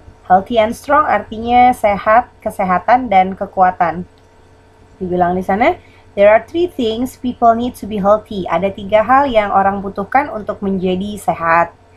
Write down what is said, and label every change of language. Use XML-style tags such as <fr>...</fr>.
<en>Healthy and strong</en> <id>artinya sehat, kesehatan, dan kekuatan. Dibilang di sana,</id> <en>there are three things people need to be healthy.</en> <id>Ada tiga hal yang orang butuhkan untuk menjadi sehat.</id>